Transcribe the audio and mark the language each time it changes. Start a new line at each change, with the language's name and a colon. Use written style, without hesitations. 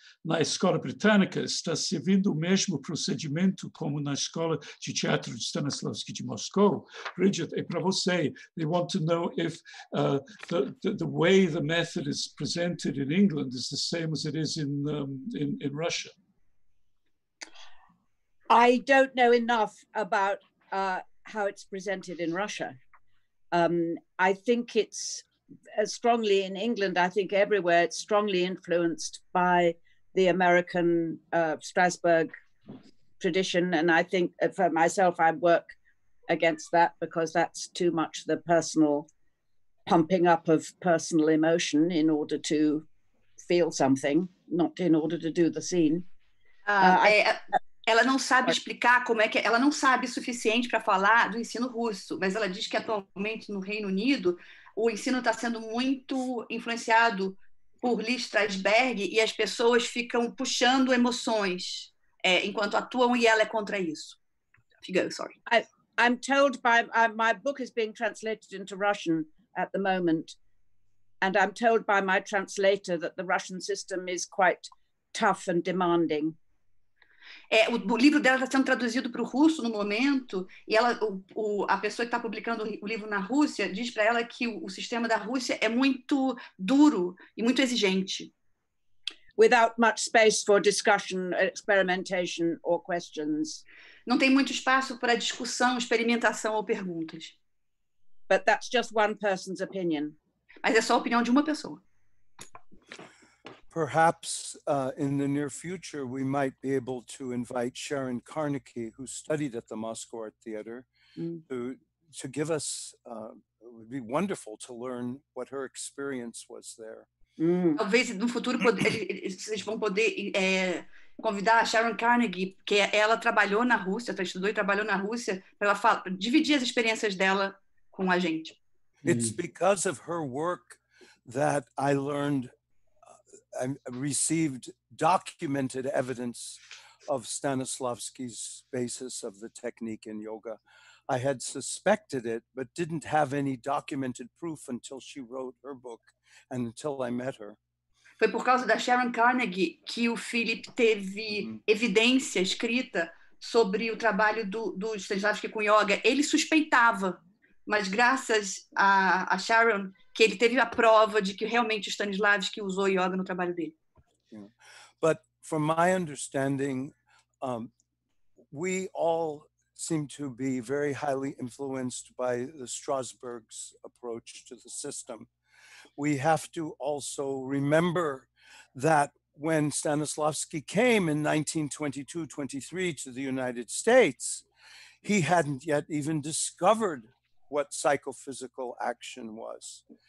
Portuguese: Na Escola Britânica, está servindo o mesmo procedimento como na Escola de Teatro de Stanislavski de Moscou. Brigid, é para você.
English: They want to know if the way the method is presented in England is the same as it is in Russia. I don't know enough about how it's presented in Russia. I think it's strongly in England, I think everywhere, it's strongly influenced by the American Strasbourg tradition. And I think for myself, I'd work against that because that's too much the personal pumping up of personal emotion in order to feel something, not in order to do the scene.
Portuguese: Ela não sabe explicar como é que... Ela não sabe o suficiente para falar do ensino russo, mas ela diz que atualmente no Reino Unido o ensino está sendo muito influenciado por Lee Strasberg e as pessoas ficam puxando emoções enquanto atuam e ela é contra isso.
English: Figo, sorry. I'm told by my book is being translated into Russian at the moment, and I'm told by my translator that the Russian system is quite tough and demanding.
Portuguese: O livro dela está sendo traduzido para o russo no momento e ela, a pessoa que está publicando o livro na Rússia diz para ela que o sistema da Rússia é muito duro e muito exigente.
English: Without much space for discussion, experimentation or questions.
Portuguese: Não tem muito espaço para discussão, experimentação ou perguntas.
English: But that's just one person's opinion.
Portuguese: Mas é só a opinião de uma pessoa.
English: Perhaps in the near future, we might be able to invite Sharon Carnicky, who studied at the Moscow Art Theater, to give us, it would be wonderful to learn what her experience was there.
Portuguese: Talvez no futuro vocês vão poder convidar a Sharon Carnegie, que ela trabalhou na Rússia, ela estudou e trabalhou na Rússia, para ela dividir as experiências dela com a gente.
English: It's because of her work that I learned, I received documented evidence of Stanislavski's basis of the technique in yoga. I had suspected it, but didn't have any documented proof until she wrote her book and until I met her.
Portuguese: Foi por causa da Sharon Carnegie que o Philip teve evidência escrita sobre o trabalho do Stanislavski com yoga. Ele suspeitava, mas graças a Sharon, que ele teve a prova de que realmente o Stanislavski usou yoga no trabalho dele.
English: But from my understanding, we all seem to be very highly influenced by the Strasbourg's approach to the system. We have to also remember that when Stanislavski came in 1922-23 to the United States, he hadn't yet even discovered what psychophysical action was.